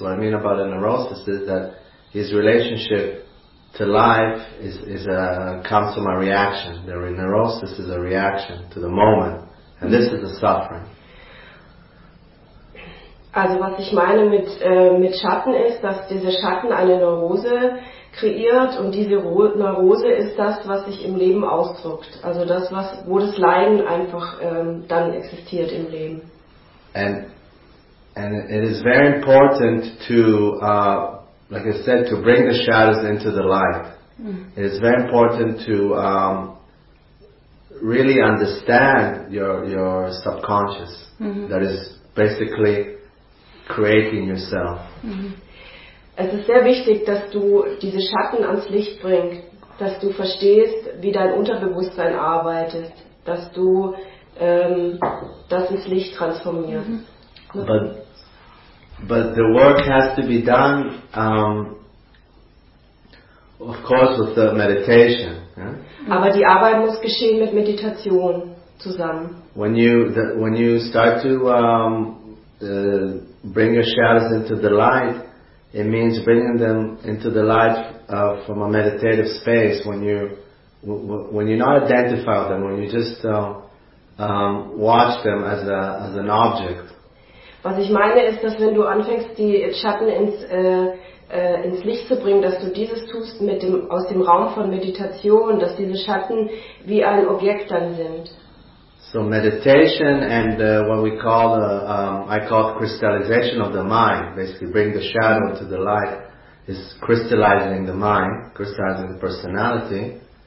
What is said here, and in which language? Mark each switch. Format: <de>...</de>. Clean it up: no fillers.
<en>What I mean about a neurosis is that his relationship to life comes from a reaction. The neurosis is a reaction to the moment, and this is the suffering.</en> <de>Also was ich meine mit Schatten ist, dass dieser Schatten eine Neurose kreiert und diese Neurose ist das, was sich im Leben ausdrückt. Also das, wo das Leiden einfach dann existiert im Leben.</de> <en>And it is very important to, like I said, to bring the shadows into the light. It is very important to really understand your subconscious. That is basically creating yourself.</en> <de>Es ist sehr wichtig, dass du diese Schatten ans Licht bringst, dass du verstehst, wie dein Unterbewusstsein arbeitet, dass du das ins Licht transformierst.</de> <en>But the work has to be done, of course, with the meditation. Yeah?</en> <de>Aber die Arbeit muss geschehen mit Meditation zusammen.</de> <en>When you start to bring your shadows into the light, it means bringing them into the light from a meditative space. When you're not identifying them, when you just watch them as an object.</en> <de>Was ich meine ist, dass wenn du anfängst, die Schatten ins Licht zu bringen, dass du dieses tust aus dem Raum von Meditation, dass diese Schatten wie ein Objekt dann sind.</de> <en>So meditation and what we call I call it crystallization of the mind, basically bring the shadow to the light, is crystallizing the mind, crystallizing the personality.</en>